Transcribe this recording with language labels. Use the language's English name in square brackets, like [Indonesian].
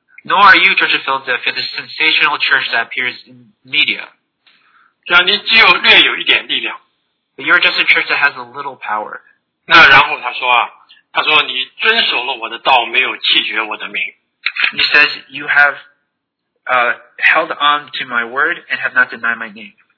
[English] Nor are you, Church of Philadelphia, the sensational church that appears in media. [Chinese] 只要你只有略有一点力量。 [English] But you're just a church that has a little power. [Chinese] 那然后他说，你遵守了我的道，没有弃绝我的名。 [English] He says, you have held on to my word and have not denied my name.